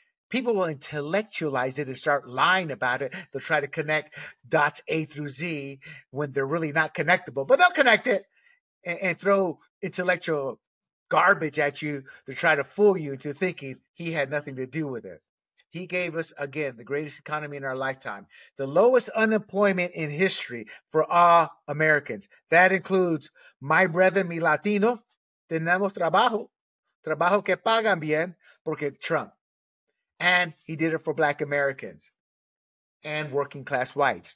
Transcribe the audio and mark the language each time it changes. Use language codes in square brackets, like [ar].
[en] People will intellectualize it and start lying about it. They'll try to connect dots A through Z when they're really not connectable, but they'll connect it and throw intellectual garbage at you to try to fool you into thinking he had nothing to do with it. He gave us, again, the greatest economy in our lifetime, the lowest unemployment in history for all Americans. That includes my brother, [es] mi Latino, tenemos trabajo, trabajo que pagan bien, porque Trump. [en] And he did it for Black Americans and working class whites.